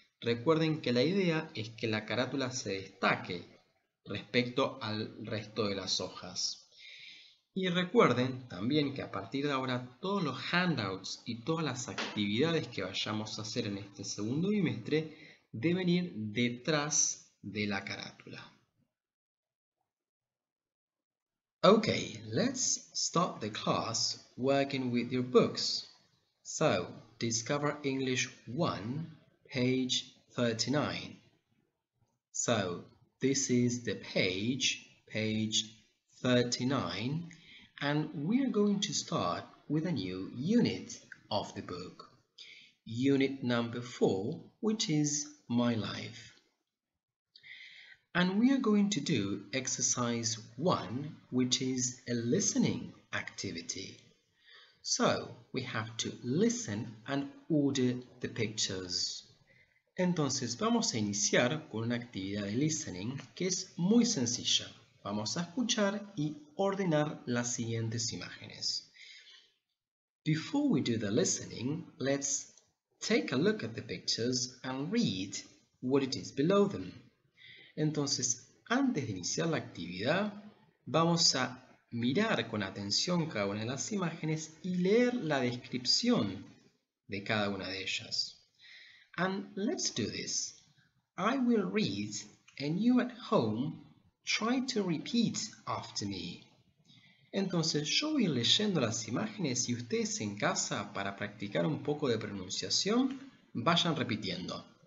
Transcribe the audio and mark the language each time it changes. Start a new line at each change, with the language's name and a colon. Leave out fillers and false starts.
Spanish: Recuerden que la idea es que la carátula se destaque respecto al resto de las hojas. Y recuerden también que a partir de ahora todos los handouts y todas las actividades que vayamos a hacer en este segundo bimestre deben ir detrás de la carátula.
English: Okay, let's start the class working with your books. So, Discover English 1, page 39. So, this is the page, page 39. And we are going to start with a new unit of the book. Unit number 4, which is My Life. And we are going to do exercise 1, which is a listening activity. So, we have to listen and order the pictures.
Spanish: Entonces, vamos a iniciar con una actividad de listening que es muy sencilla. Vamos a escuchar y ordenar las siguientes imágenes.
English: Before we do the listening, let's take a look at the pictures and read what it is below them.
Spanish: Entonces, antes de iniciar la actividad, vamos a mirar con atención cada una de las imágenes y leer la descripción de cada una de ellas.
English: And let's do this. I will read and you at home try to repeat after me.
Spanish: Entonces, yo voy leyendo las imágenes y ustedes en casa, para practicar un poco de pronunciación, vayan repitiendo.